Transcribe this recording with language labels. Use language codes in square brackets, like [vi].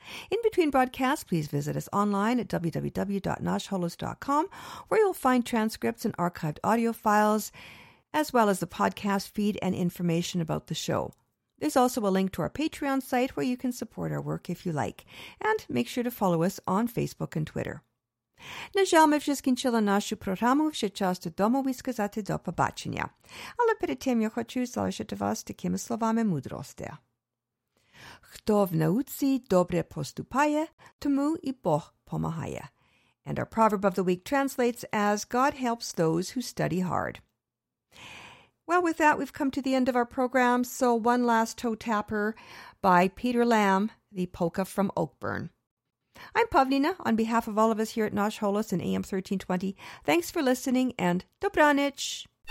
[en] In between broadcasts, please visit us online at www.nashholos.com, where you'll find transcripts and archived audio files, as well as the podcast feed and information about the show. There's also a link to our Patreon site where you can support our work if you like. And make sure to follow us on Facebook and Twitter. [uk] На жаль, ми вже скінчили нашу програму. Вже час додому висказати до побачення. Але перед тим я хочу залишити вас такими словами мудрості. Хто в науці добре поступає, тому і Бог помагає. [en] And our proverb of the week translates as, God helps those who study hard. Well, with that, we've come to the end of our program. So one last toe tapper by Peter Lamb, the polka from Oakburn. I'm Pavlina. On behalf of all of us here at Nash Holos and AM 1320, thanks for listening and dobranich.